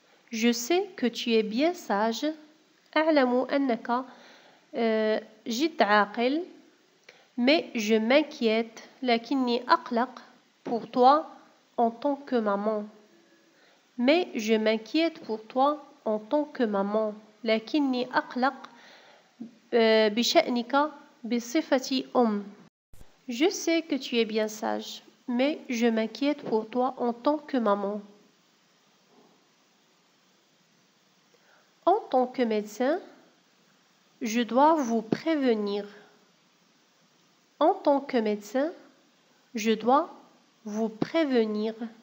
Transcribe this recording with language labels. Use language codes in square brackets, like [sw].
[fr] Je sais que tu es bien sage. [ar] أعلم أنك جد عاقل, [fr] mais je m'inquiète, [ar] لكني أقلق [fr] pour toi en tant que maman. Mais je m'inquiète pour toi en tant que maman. [ar] لكني أقلق بشأنك بصفتي أم. [fr] Je sais que tu es bien sage, mais je m'inquiète pour toi en tant que maman. En tant que médecin, je dois vous prévenir. En tant que médecin, je dois vous prévenir.